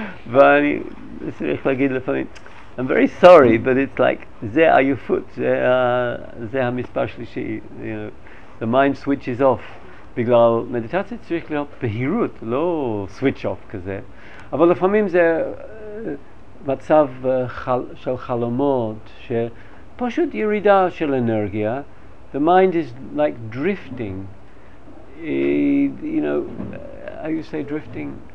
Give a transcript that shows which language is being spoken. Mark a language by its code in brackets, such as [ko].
[he] ואני צריך להגיד לפעמים, [en] I'm very sorry, but it's like, [he] זה עייפות, זה המספר שלישי. [en] You know, the mind switches off. [he] בגלל מדיטציה צריך להיות בהירות, לא switch off כזה. אבל לפעמים זה מצב של חלומות, שפשוט ירידה של אנרגיה. [en] The mind is like drifting. You know, how you say drifting?